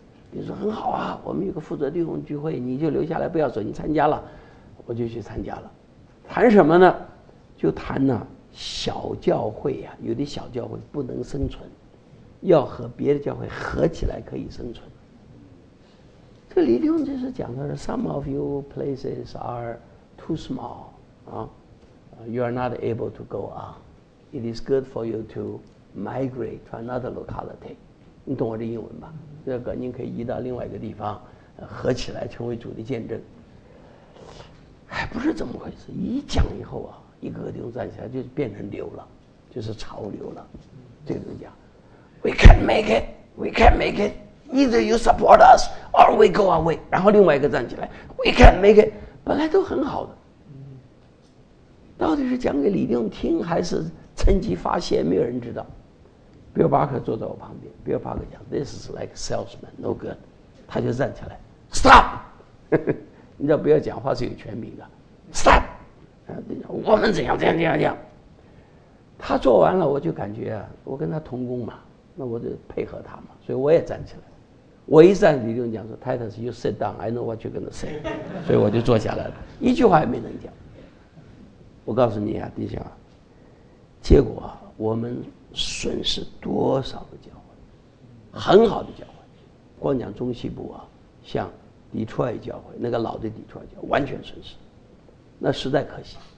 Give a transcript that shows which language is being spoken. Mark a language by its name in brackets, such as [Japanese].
[Chinese] 你说很好啊，我们有个负责弟兄聚会，你就留下来不要走，你参加了，我就去参加了。谈什么呢？就谈呢、小教会啊，有的小教会不能生存，要和别的教会合起来可以生存。这个李弟兄就是讲的是 [English] Some of you places are too small, you are not able to go on. It is good for you to migrate to another locality. [Chinese] 你懂我这英文吧，这个您可以移到另外一个地方，合起来成为主的见证。还不是这么回事，一讲以后啊，一个个地方站起来就变成流了，就是潮流了。这个人讲 [English] We can't make it, either you support us or we go away. [Chinese] 然后另外一个站起来 [English] We can't make it, [Chinese] 本来都很好的。到底是讲给李定听还是趁机发泄，没有人知道。 Bill Barker 坐在我旁边， Bill Barker 讲 [English] This is like salesman, no good. [Chinese] 他就站起来 [English] Stop! [Chinese] 你知道不要讲话是有权柄的 Stop! 我们怎样怎样怎样怎样。他做完了，我就感觉我跟他同工嘛，那我就配合他嘛，所以我也站起来。我一站李定讲说 [English] Titus, you sit down, I know what you're going to say. [Chinese] 所以我就坐下来了，一句话也没能讲。我告诉你啊，弟兄啊，结果啊，我们损失多少的教会，很好的教会，光讲中西部啊，像底特律教会，那个老的底特律教会完全损失，那实在可惜。